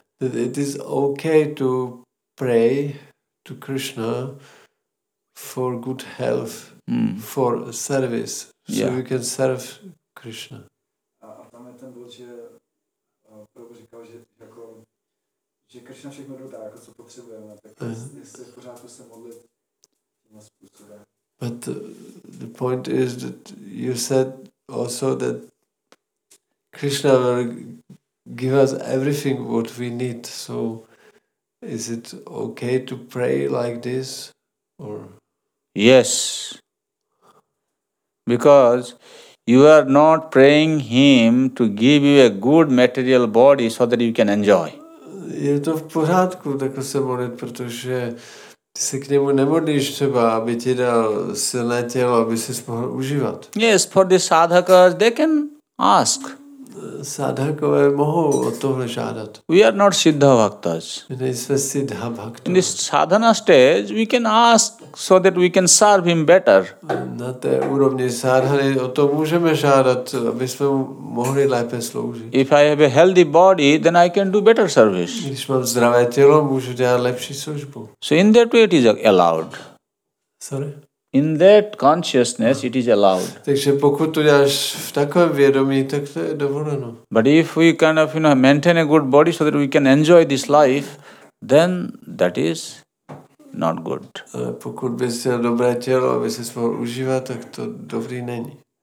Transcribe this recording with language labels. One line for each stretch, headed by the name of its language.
English: That it is okay to pray to Krishna for good health, for service. So yeah, we can serve Krishna.
Czech: A tam je ten bod, že Prabhu říkal, že jako že Krishna všechno dodá, jako co potřebujeme, tak jestli v pořádku se modlit tím způsobem.
English: But the point is that you said also that Krishna will give us everything what we need. So is it okay to pray like this or? Yes. Because you are not praying him to give you a good material body so that you can enjoy.
Czech: Je to v pořádku, tak se modlit, protože ty se k němu nemodlíš třeba, aby ti dal silné tělo, aby si mohl užívat.
English: Yes, for the sadhakas, they can ask.
Czech: Sadhakové mohou o tohle žádat.
English: We are not siddha bhaktas.
Czech: My nejsme siddha bhaktas.
English: In this sadhana stage, we can ask so that we can serve him better.
Czech: Na té úrovni sadhany o to můžeme žádat, aby jsme mohli lépe sloužit.
English: If I have a healthy body, then I can do better service.
Czech: Když mám zdravé tělo, můžu dělat lepší službu.
English: So in that way it is allowed. Sorry? In that consciousness, it is allowed.
Czech: Takže pokud to děláš v takovém vědomí, tak to je dovoleno.
English: But if we kind of, you know, maintain a good body so that we can enjoy this life, then that is not good.
Czech: Pokud bys měl dobré tělo, aby ses mohl užívat, tak to dobrý není.